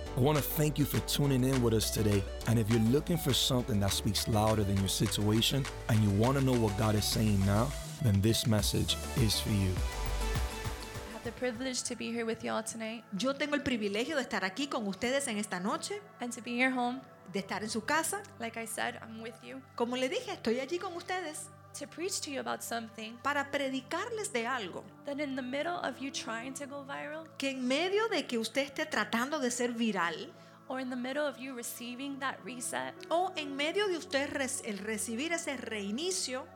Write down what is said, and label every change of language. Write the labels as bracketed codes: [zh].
[en] I want to thank you for tuning in with us today. And if you're looking for something that speaks louder than your situation and you want to know what God is saying now, then this message is for you. I have the privilege to be here with y'all tonight. [es] Yo tengo el privilegio de estar aquí con ustedes en esta noche. [en] And to be in your home. [es] De estar en su casa. [en] Like I said, I'm with you. [es] Como le dije, estoy allí con ustedes. [en] To preach to you about something. [es] Para predicarles de algo. [en] That in the middle of you trying to go viral. [es] Que en medio de que usted esté tratando de ser viral. [en] Or in the middle of you receiving that reset. [es] O en medio de usted el recibir ese reinicio.